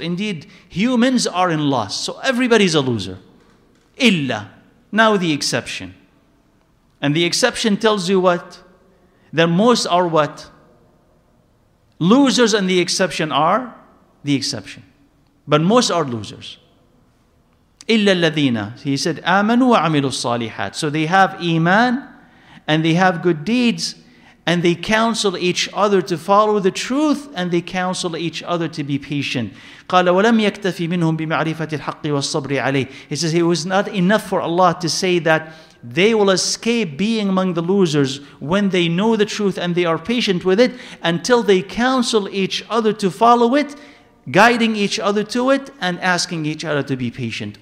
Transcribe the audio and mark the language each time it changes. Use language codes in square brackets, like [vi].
[en] Indeed, humans are in loss. So everybody's a loser. Illa. Now the exception. And the exception tells you what? That most are what? Losers, and the exception are the exception. But most are losers. [ar] إِلَّا الَّذِينَ, [en] he said, [ar] آمَنُوا وَعَمِلُوا الصَّالِحَاتِ. [en] So they have iman, and they have good deeds, and they counsel each other to follow the truth, and they counsel each other to be patient. [ar] قَالَ وَلَمْ يَكْتَفِي مِنْهُمْ بِمَعْرِفَةِ الْحَقِّ وَالصَّبْرِ عَلَيْهِ. [en] He says it was not enough for Allah to say that they will escape being among the losers when they know the truth and they are patient with it, until they counsel each other to follow it, guiding each other to it, and asking each other to be patient.